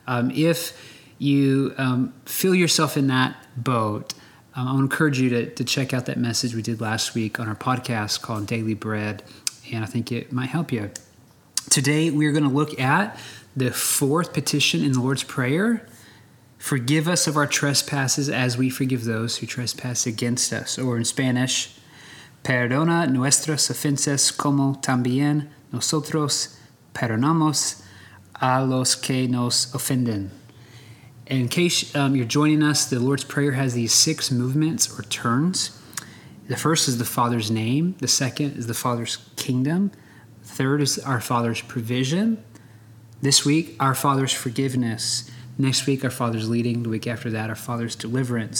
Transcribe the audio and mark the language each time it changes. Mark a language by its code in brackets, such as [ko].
[en] If you feel yourself in that boat, I want to encourage you to check out that message we did last week on our podcast called Daily Bread, and I think it might help you. Today, we are going to look at the fourth petition in the Lord's Prayer. Forgive us of our trespasses as we forgive those who trespass against us. Or in Spanish, [es] perdona nuestras ofensas como también nosotros perdonamos a los que nos ofenden. [en] In case you're joining us, the Lord's Prayer has these six movements or turns. The first is the Father's name. The second is the Father's kingdom. The third is our Father's provision. This week, our Father's forgiveness. Next week, our Father's leading. The week after that, our Father's deliverance.